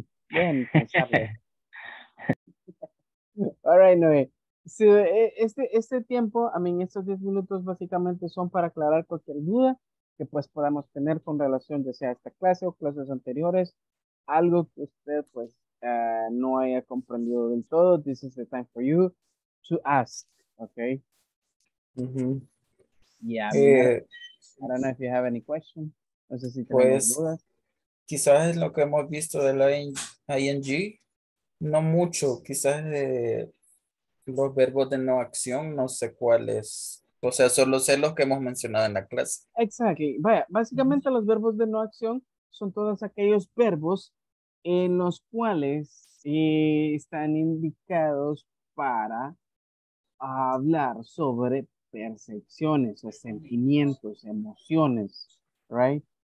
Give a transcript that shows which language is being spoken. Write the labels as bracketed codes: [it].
[en] Bien, All right, Noé. [es] So, este tiempo, I mean, estos 10 minutos básicamente son para aclarar cualquier duda que pues podamos tener con relación ya sea a esta clase o clases anteriores, algo que usted pues no haya comprendido del todo. [en] This is the time for you to ask, okay? Mm-hmm. Yeah. I don't know if you have any questions. [es] No sé si tienen pues, dudas. Quizás es lo que hemos visto de la ING. No mucho, quizás los verbos de no acción, no sé cuáles. O sea, solo sé los que hemos mencionado en la clase. Exacto. Vaya, básicamente los verbos de no acción son todos aquellos verbos en los cuales están indicados para hablar sobre percepciones, o sentimientos, emociones, right?